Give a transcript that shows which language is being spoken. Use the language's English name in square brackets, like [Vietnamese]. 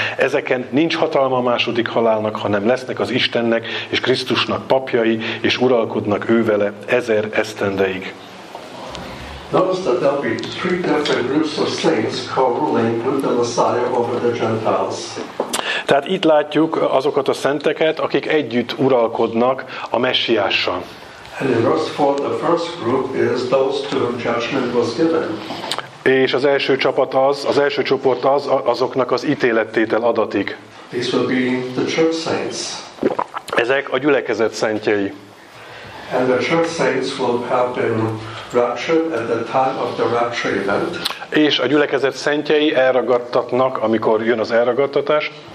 [Hungarian] Ezeken nincs hatalma a második halálnak, hanem lesznek az Istennek és Krisztusnak papjai, és uralkodnak ő vele 1000 esztendeig. [English] Notice that there'll be three different groups of saints co-ruling with the Messiah over the Gentiles. [Hungarian] Tehát itt látjuk azokat a szenteket, akik együtt uralkodnak a Messiással. [English] And in verse 4, the first group is those to whom judgment was given. [Hungarian] És az első csapat az, az első csoport az, azoknak az ítélettétel adatik. [English] These will be the church saints. [Hungarian] Ezek a gyülekezet szentjei. [English] And the church saints will have been raptured at the time of the rapture event. [Hungarian] És a gyülekezet szentjei elragadtatnak, amikor jön az elragadtatás.